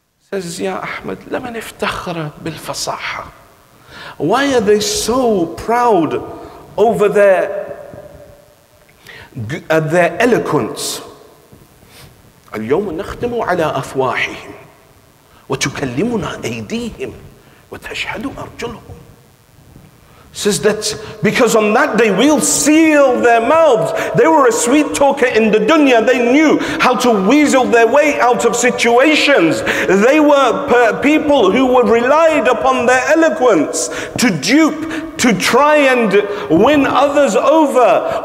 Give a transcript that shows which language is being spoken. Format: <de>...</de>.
<en>Says,</en> <ar>Ya Ahmed, لَمَنْ افْتَخَرَ بِالْفَصَاحَ.</ar> <en>Why are they so proud over their eloquence?</en> <ar>اليوم نختم على أفواههم وتكلمنا أيديهم وتشهد أرجلهم.</ar> <en>Says that because on that day we'll seal their mouths. They were a sweet talker in the dunya. They knew how to weasel their way out of situations. They were people who were relied upon their eloquence to dupe, to try and win others over.</en>